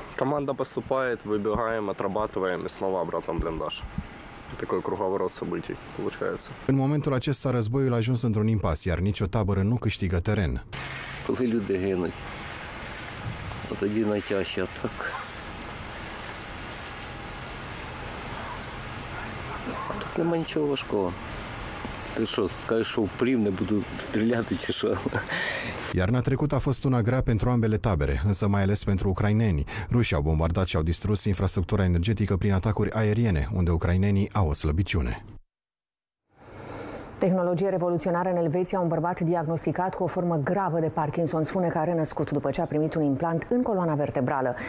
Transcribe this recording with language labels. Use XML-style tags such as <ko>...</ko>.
<uk>Команда поступає, вибігаємо, отрабатуємо, слава братам бліндаж. Такий круговорот событий, получається. В моменту цього</uk> <ro>războiul ajuns într-un impas, iar nicio tabără nu câștigă teren.</ro> <uk>Коли люди гинуть,</uk> <ru>Отойди на тяжесть, а так.</ru> <uk>А тут нема ничего важкого. Ти що, скажеш, що вплив, не буду стріляти чи що?</uk> <ro>Iarna trecută a fost una grea pentru ambele tabere, însă mai ales pentru ucraineni. Rușii au bombardat și au distrus infrastructura energetică prin atacuri aeriene, unde ucrainenii au o slăbiciune. Tehnologie revoluționară în Elveția, un bărbat diagnosticat cu o formă gravă de Parkinson spune că a renăscut după ce a primit un implant în coloana vertebrală.</ro>